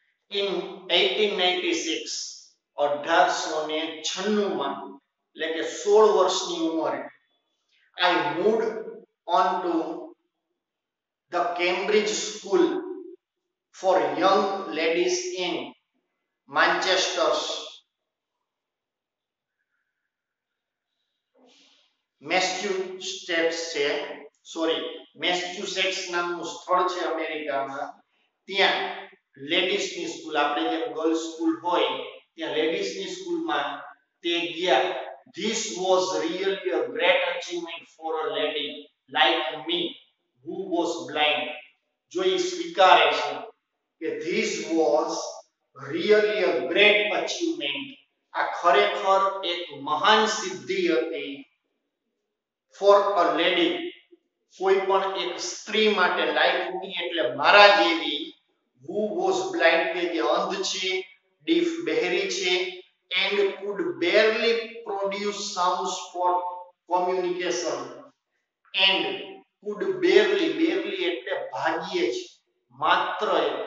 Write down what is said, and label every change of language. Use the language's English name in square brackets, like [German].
[English] In 1896 [Gujarati] 1896 માં એટલે કે 16 વર્ષની ઉંમરે [English] I moved on to the Cambridge School for young ladies in Manchester, Massachusetts [Gujarati] નામનું સ્થળ છે અમેરિકામાં. ત્યાં લેડીઝ ની સ્કૂલ, આપણે જે ગર્લ્સ સ્કૂલ હોય ત્યાં લેડીઝ ની સ્કૂલમાં તે ગયા. [English] This was really a great achievement for a lady like me who was blind. [Gujarati] જો એ સ્વીકારે છે કે [English] this was really a great achievement, [Gujarati] આ ખરેખર એક મહાન સિદ્ધિ હતી [English] for a lady, [Gujarati] કોઈ પણ એક સ્ત્રી માટે, [English] like me [Gujarati] એટલે મારા જેવી, [English] who was blind [Gujarati] કે જે અંધ છે, [English] deaf [Gujarati] બહેરી છે, [English] and could barely produce sounds for communication, and could barely [Gujarati] એટલે ભાગ્યે જ, માત્ર એ